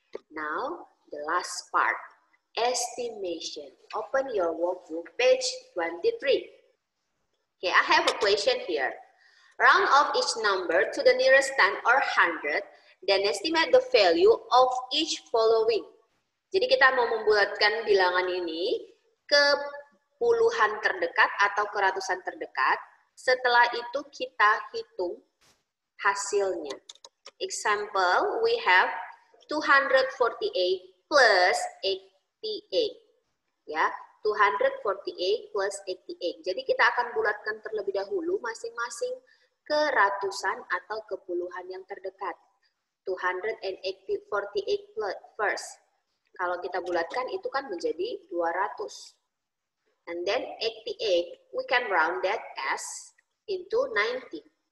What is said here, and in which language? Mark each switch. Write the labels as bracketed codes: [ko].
[en] Now, the last part, estimation. Open your workbook, page 23. Okay, I have a question here. Round off each number to the nearest 10 or 100, then estimate the value of each following. [id] Jadi kita mau membulatkan bilangan ini ke puluhan terdekat atau ke ratusan terdekat. Setelah itu kita hitung hasilnya. [en] Example, we have 248 plus 88. Ya, 248 plus 88. [id] Jadi kita akan bulatkan terlebih dahulu masing-masing ke ratusan atau ke puluhan yang terdekat. [en] 248 plus first. [id] Kalau kita bulatkan itu kan menjadi 200. [en] And then 88 we can round that as into 90.